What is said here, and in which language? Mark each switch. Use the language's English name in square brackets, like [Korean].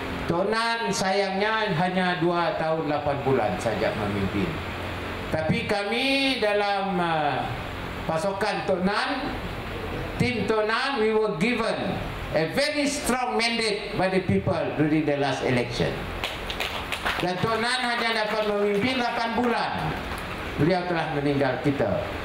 [Malay] Tok Nan sayangnya hanya 2 tahun 8 bulan saja memimpin. Tapi kami dalam pasukan Tok Nan [English] Tim Tonan, we were given a very strong mandate by the people during the last election. [Malay] Dan Tonan hanya dapat memimpin 8 bulan. Beliau telah meninggal kita.